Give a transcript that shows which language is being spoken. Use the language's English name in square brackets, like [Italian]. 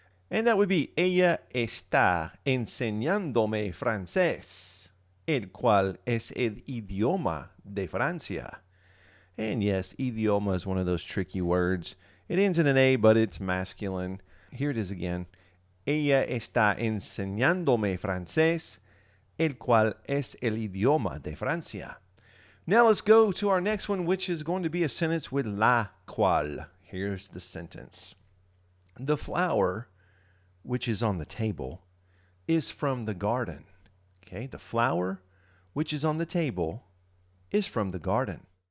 [English] And that would be, [Spanish] ella está enseñándome francés, el cual es el idioma de Francia. [English] And yes, idioma is one of those tricky words. It ends in an A, but it's masculine. Here it is again. [Spanish] Ella está enseñándome francés, el cual es el idioma de Francia. [English] Now let's go to our next one, which is going to be a sentence with la cual. Here's the sentence. The flower, which is on the table, is from the garden. Okay, the flower, which is on the table, is from the garden.